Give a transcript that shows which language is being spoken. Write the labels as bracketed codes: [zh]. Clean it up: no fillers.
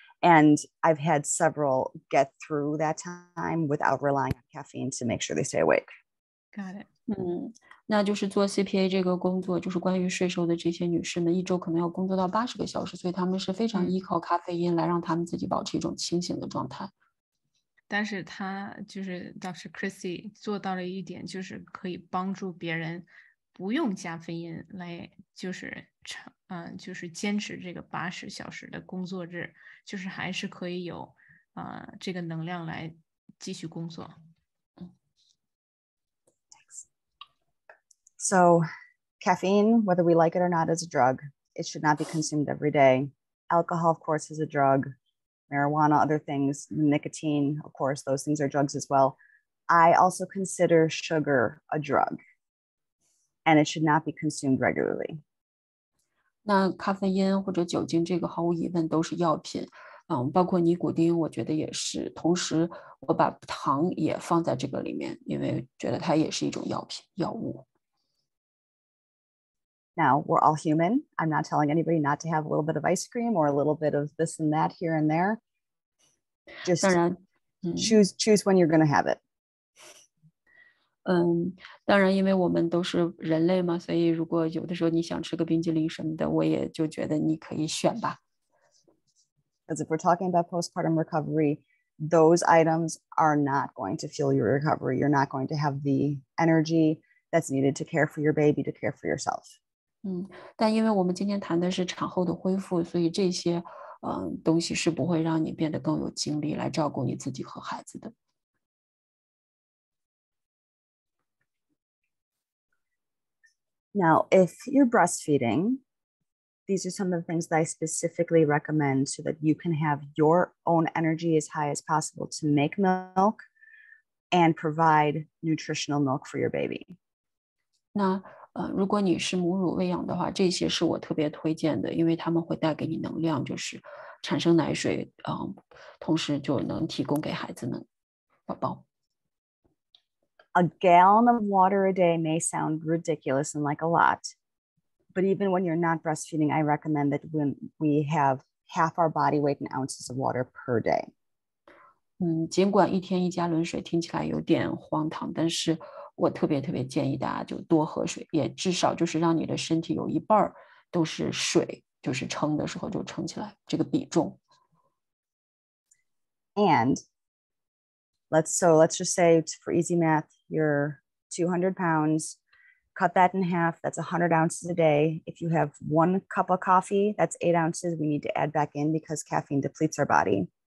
[en] And I've had several get through that time without relying on caffeine to make sure they stay awake. Got it. [zh] 那就是做 CPA 这个工作，就是关于税收的这些女士们，一周可能要工作到80个小时，所以他们是非常依靠咖啡因来让他们自己保持一种清醒的状态。但是他就是 Dr. Chrissy 做到了一点，就是可以帮助别人不用加啡因来，就是就是坚持这个80小时的工作日，就是还是可以有这个能量来继续工作。 [en] So caffeine, whether we like it or not, is a drug. It should not be consumed every day. Alcohol, of course, is a drug. Marijuana, other things, nicotine, of course, those things are drugs as well. I also consider sugar a drug, and it should not be consumed regularly. [zh] 那咖啡因或者酒精这个毫无疑问都是药品，包括尼古丁我觉得也是，同时我把糖也放在这个里面，因为觉得它也是一种药品，药物。 [en] Now, we're all human. I'm not telling anybody not to have a little bit of ice cream or a little bit of this and that here and there. Just [zh] 当然， [en] choose when you're going to have it. [zh] 当然因为我们都是人类嘛，所以如果有的时候你想吃个冰激凌什么的，我也就觉得你可以选吧。 [en] Because if we're talking about postpartum recovery, those items are not going to fuel your recovery. You're not going to have the energy that's needed to care for your baby, to care for yourself. [zh] 但因为我们今天谈的是产后的恢复，所以这些东西是不会让你变得更有精力来照顾你自己和孩子的。 [en] Now, if you're breastfeeding, these are some of the things that I specifically recommend so that you can have your own energy as high as possible to make milk and provide nutritional milk for your baby. [zh] 那如果你是母乳喂养的话，这些是我特别推荐的，因为他们会带给你能量，就是产生奶水，同时就能提供给孩子们宝宝。 [en] A gallon of water a day may sound ridiculous and like a lot, but even when you're not breastfeeding, I recommend that when we have half our body weight in ounces of water per day. [zh] 尽管一天一加仑水听起来有点荒唐，但是我特别特别建议大家就多喝水，也至少就是让你的身体有一半都是水，就是撑的时候就撑起来这个比重。 [en] And let's just say for easy math, you're 200 pounds, cut that in half, that's 100 ounces a day. If you have one cup of coffee, that's 8 ounces we need to add back in because caffeine depletes our body.